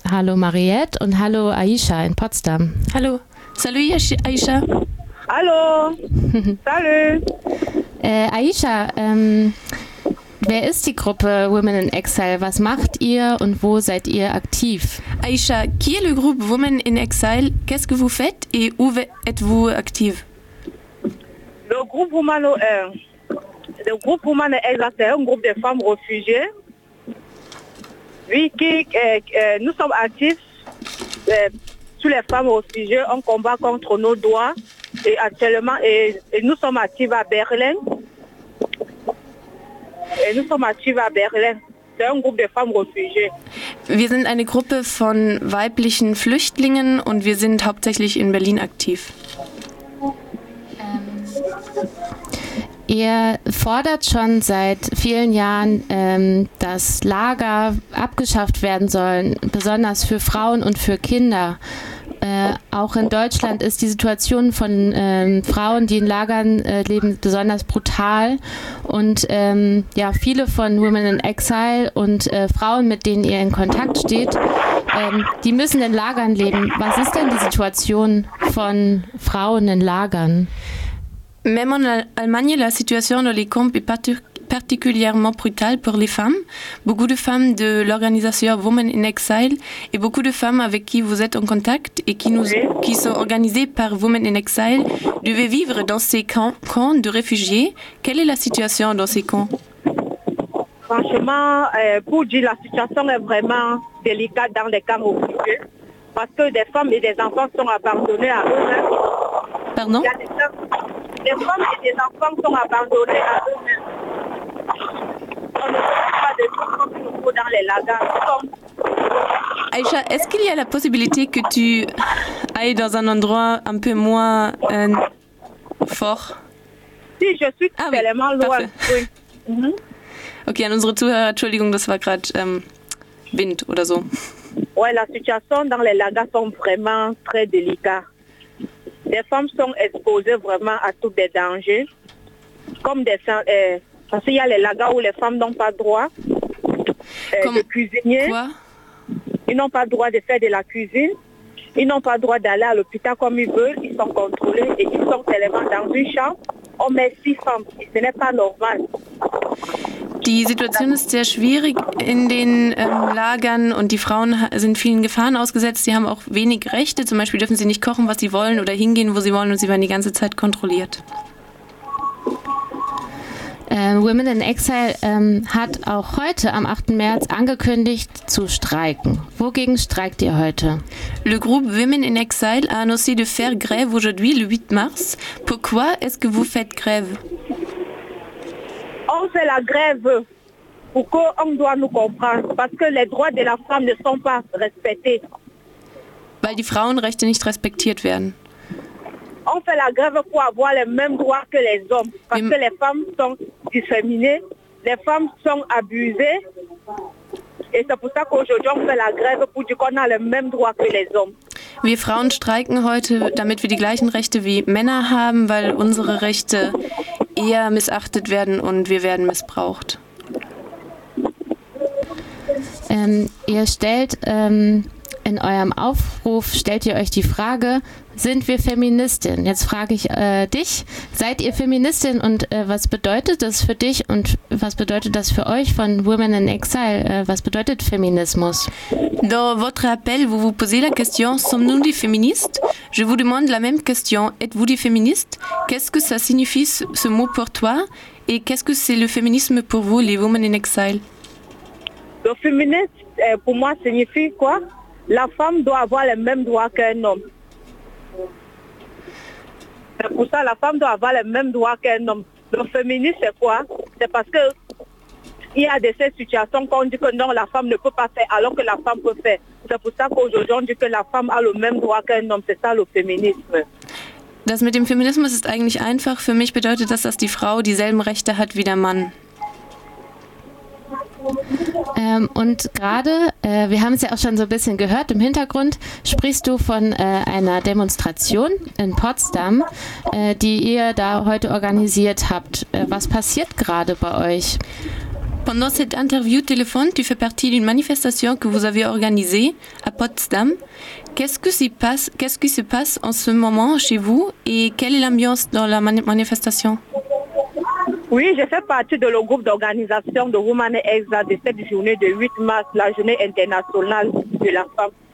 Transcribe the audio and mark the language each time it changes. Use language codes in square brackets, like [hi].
[de] Hallo Mariette und hallo Aisha in Potsdam. Hallo. [fr] Salut Aisha. [de] Hallo. [fr] Salut. [de] Aisha, wer ist die Gruppe Women in Exile? Was macht ihr und wo seid ihr aktiv? [fr] Aisha, qui est le groupe Women in Exile? Qu'est-ce que vous faites et où êtes-vous active? Le groupe Women in Exile, c'est un groupe de femmes réfugiées. Oui, nous sommes actifs sur les femmes réfugiées. On combat contre nos droits et actuellement, et nous sommes actives à Berlin. [de] Wir sind eine Gruppe von weiblichen Flüchtlingen und wir sind hauptsächlich in Berlin aktiv. Ihr fordert schon seit vielen Jahren, dass Lager abgeschafft werden sollen, besonders für Frauen und für Kinder. Auch in Deutschland ist die Situation von Frauen, die in Lagern leben, besonders brutal. Und viele von Women in Exile und Frauen, mit denen ihr in Kontakt steht, die müssen in Lagern leben. Was ist denn die Situation von Frauen in Lagern? [fr] Même en Allemagne, la situation dans les camps est particulièrement brutale pour les femmes. Beaucoup de femmes de l'organisation Women in Exile et beaucoup de femmes avec qui vous êtes en contact et qui sont organisées par Women in Exile devaient vivre dans ces camps de réfugiés. Quelle est la situation dans ces camps? Franchement, pour dire, la situation est vraiment délicate dans les camps réfugiés parce que des femmes et des enfants sont abandonnés à eux-mêmes. Pardon? Les femmes et les enfants sont abandonnés à eux-mêmes. On ne trouve pas de tout comme il nous faut dans les lagers. Aisha, est-ce qu'il y a la possibilité que tu ailles dans un endroit un peu moins fort? Si, je suis tellement loin. Parfait. Oui. Ok, à notre tour, [de] Entschuldigung, das war gerade Wind oder so. [fr] Oui, la situation dans les lagers sont vraiment très délicates. Les femmes sont exposées vraiment à tous des dangers, comme des parce qu'il y a les lagas où les femmes n'ont pas droit comme de cuisiner. Quoi? Ils n'ont pas droit de faire de la cuisine. Ils n'ont pas droit d'aller à l'hôpital comme ils veulent. Ils sont contrôlés et ils sont tellement dans une chambre. On met 6 femmes. Et ce n'est pas normal. [de] Die Situation ist sehr schwierig in den Lagern und die Frauen sind vielen Gefahren ausgesetzt. Sie haben auch wenig Rechte. Zum Beispiel dürfen sie nicht kochen, was sie wollen oder hingehen, wo sie wollen und sie werden die ganze Zeit kontrolliert. Women in Exile hat auch heute am 8. März angekündigt zu streiken. Wogegen streikt ihr heute? [fr] Le groupe Women in Exile a annoncé de faire grève aujourd'hui le 8 mars. Pourquoi est-ce que vous faites grève? On fait la grève pour qu'on doit nous comprendre, parce que les droits de la femme ne sont pas respectés. [de] Weil die Frauenrechte nicht respektiert werden. [fr] On fait la grève pour avoir les mêmes droits que les hommes, parce que les femmes sont discriminées, les femmes sont abusées, et c'est pour ça qu'aujourd'hui on fait la grève pour dire qu'on a les mêmes droits que les hommes. [de] Wir Frauen streiken heute, damit wir die gleichen Rechte wie Männer haben, weil unsere Rechte eher missachtet werden und wir werden missbraucht. Ihr stellt in eurem Aufruf, stellt ihr euch die Frage, sind wir Feministin? Jetzt frage ich dich, seid ihr Feministin und was bedeutet das für dich und was bedeutet das für euch von Women in Exile? Was bedeutet Feminismus? [fr] Dans votre appel, vous vous posez la question, sommes-nous des féministes? Je vous demande la même question, êtes-vous des féministes? Qu'est-ce que ça signifie ce mot pour toi? Et qu'est-ce que c'est le féminisme pour vous, les Women in Exile? Le féminisme, pour moi, signifie quoi? La femme doit avoir les mêmes droits qu'un homme. C'est pour ça, la femme doit avoir les mêmes droits qu'un homme. Le féminisme, c'est quoi? C'est parce que il y a de ces situations qu'on dit que non, la femme ne peut pas faire, alors que la femme peut faire. C'est pour ça qu'aujourd'hui, on dit que la femme a le même droit qu'un homme. C'est ça, le féminisme. [de] Das mit dem Feminismus ist eigentlich einfach. Für mich bedeutet das, dass die Frau dieselben Rechte hat wie der Mann. Und gerade, wir haben es ja auch schon so ein bisschen gehört, im Hintergrund sprichst du von einer Demonstration in Potsdam, die ihr da heute organisiert habt. Was passiert gerade bei euch? [fr] Pendant cette interview téléphone, tu fais partie d'une manifestation que vous avez organisée à Potsdam. Qu'est-ce qui se passe en ce moment chez vous et quelle est l'ambiance dans la manifestation? Oui, je fais partie de le groupe d'organisation de Women Exa de cette journée de 8 mars, la journée internationale de la femme.